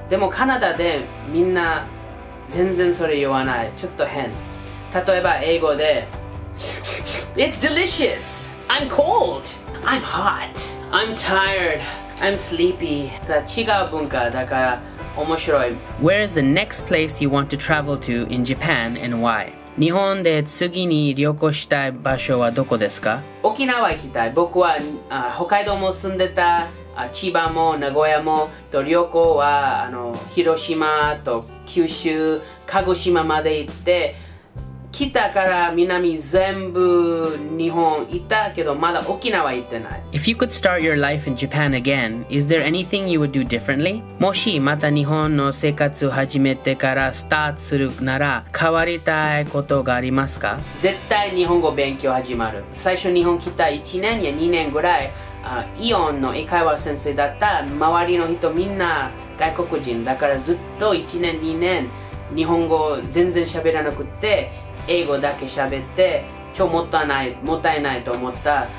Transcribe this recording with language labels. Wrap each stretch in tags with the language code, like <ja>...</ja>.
<ja>でもカナダでみんな全然それ言わない。ちょっと変。例えば英語で、</ja> <en>It's delicious! I'm cold! I'm hot! I'm tired! I'm sleepy.</en> <ja>違う文化だから面白い。</ja> <en>Where is the next place you want to travel to in Japan and why?</en> <ja>日本で次に旅行したい場所はどこですか？沖縄行きたい。僕は北海道も住んでた、千葉も名古屋もと、旅行はあの広島と九州、鹿児島まで行って、北から南全部日本行ったけど、まだ沖縄行ってない。</ja> <en>If you could start your life in Japan again, is there anything you would do differently?</en> <ja>もしまた日本の生活を始めてからスタートするなら、変わりたいことがありますか？絶対日本語勉強始まる。最初日本来た1年や2年ぐらい、イオンの英会話先生だった。周りの人みんな外国人だから、ずっと1年2年日本語全然喋らなくて、英語だけ喋って、超もったいない、もったいないと思った。</ja>